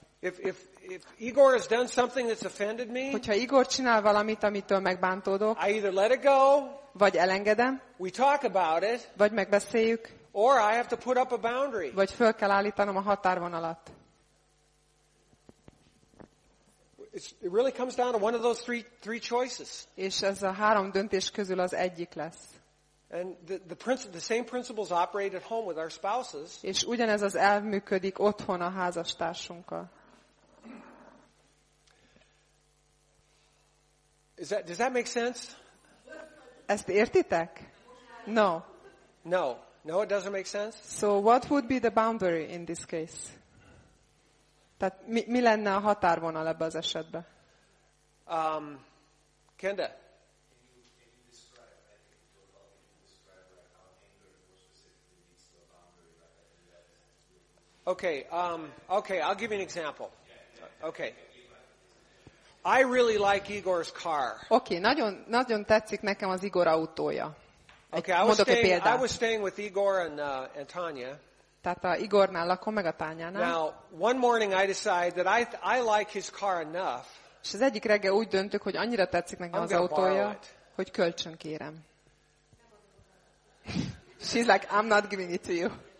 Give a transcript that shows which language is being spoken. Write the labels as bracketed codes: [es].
[en] If Igor has done something that's offended me, [hu] hogyha Igor csinál valamit, amitől megbántódok, [en] I either let it go, [hu] vagy elengedem, [en] we talk about it, [hu] vagy megbeszéljük, [en] or I have to put up a boundary, [hu] vagy föl kell állítanom a határvonalat. [en] It really comes down to one of those three choices. [hu] És ez a három döntés közül az egyik lesz. [en] And the same principles operate at home with our spouses. [hu] És ugyanez az elv működik otthon a házastársunkkal. [en] Does that make sense? [hu] Ezt értitek? [en] No. No. No, it doesn't make sense. So what would be the boundary in this case? [hu] Tehát mi lenne a határvonal ebbe az esetbe? [en] Kenda. Okay, I'll give you an example. Okay. I really like Igor's car. [hu] Okay, nagyon tetszik nekem az Igor autója. [en] Okay, I was staying with Igor and Tanya. [hu] Tehát a Igornál lakom, meg a Tanyánál. [en] Now, one morning I decide that I like his car enough. [hu] És az egyik reggel úgy döntök, hogy annyira tetszik nekem az autója, hogy kölcsön kérem. [en] She's like, I'm not giving it to you.